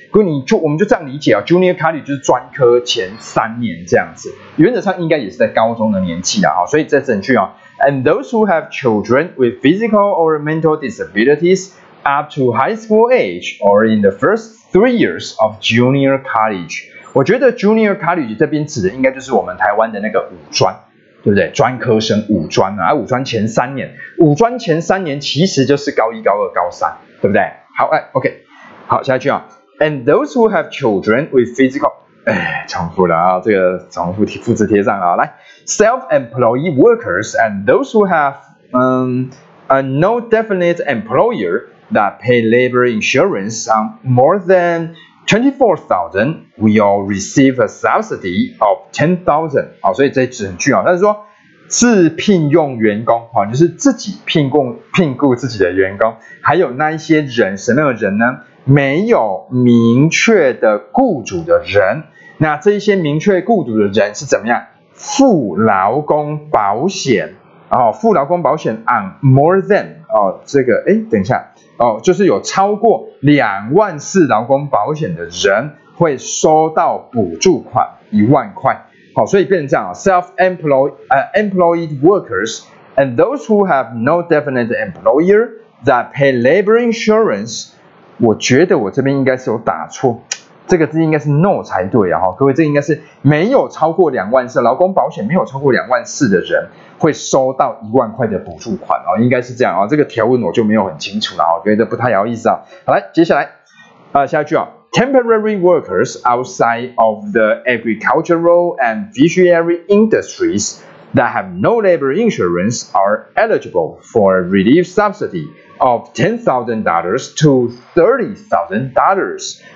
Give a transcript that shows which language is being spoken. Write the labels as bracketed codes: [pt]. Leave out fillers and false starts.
[zh] 不过我们就这样理解啊 ，junior college 就是专科前三年这样子，原则上应该也是在高中的年纪啦哈。所以这整句啊 ， [en] and those who have children with physical or mental disabilities up to high school age or in the first 3 years of junior college。 [zh] 我觉得 junior college 这边指的应该就是我们台湾的那个五专，对不对？专科生五专啊，五专前三年，五专前三年其实就是高一、高二、高三，对不对？好，哎 ，OK， 好，下一句啊。 [en] And those who have children with physical， [zh] 哎，重复了啊，这个重复复制贴上了啊。来 [en] ，self-employed workers and those who have a no definite employer that pay labor insurance on more than $24,000 will receive a subsidy of $10,000. [zh] 好，所以这整句啊，他是说自聘用员工，好，就是自己聘雇自己的员工，还有那一些人，什么样的人呢？没有明确的雇主的人，那这一些明确雇主的人是怎么样？付劳工保险，付劳工保险 [en] on more than [zh] 这个哎，等一下。就是有超过24,000劳工保险的人会收到补助款10,000块。好，所以变成这样 [en] ,self-employed workers and those who have no definite employer that pay labor insurance, [zh] 我觉得我这边应该是有打错。这个字应该是 no 才对啊，各位，这应该是没有超过24,000，劳工保险没有超过24,000的人会收到10,000块的补助款啊，应该是这样啊，这个条文我就没有很清楚了啊，觉得不太有意思啊。好，来，接下来下一句啊 [en] ，temporary workers outside of the agricultural and fishery industries that have no labor insurance are eligible for a relief subsidy of $10,000 to $30,000。